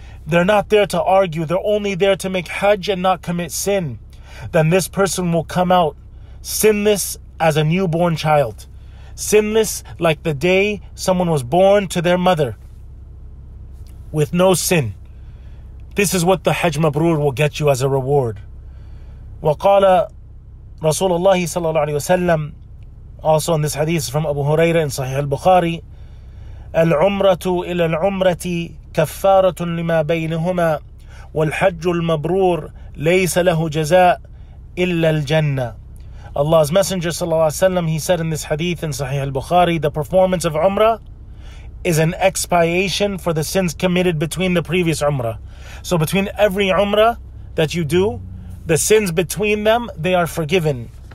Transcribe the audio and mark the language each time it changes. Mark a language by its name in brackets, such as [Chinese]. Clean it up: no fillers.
[English] They're not there to argue. They're only there to make Hajj and not commit sin. Then this person will come out sinless as a newborn child, sinless like the day someone was born to their mother, with no sin. This is what the Hajj Mabrur will get you as a reward. [Arabic] وَقَالَ رَسُولَ اللَّهِ صَلَّى اللَّهُ عَلَيْهِ وَسَلَّمْ, [English] also in this hadith from Abu Hurairah in Sahih al-Bukhari, [Arabic] الْعُمْرَةُ إِلَى الْعُمْرَةِ كَفَّارَةٌ لِمَا بَيْنِهُمَا وَالْحَجُّ الْمَبْرُورُ لَيْسَ لَهُ جَزَاءٌ إِلَّا الْجَنَّةِ. [English] Allah's Messenger sallallahu alaihi wasallam, he said in this hadith in Sahih al-Bukhari, the performance of Umrah is an expiation for the sins committed between the previous Umrah. So between every Umrah that you do, the sins between them, they are forgiven.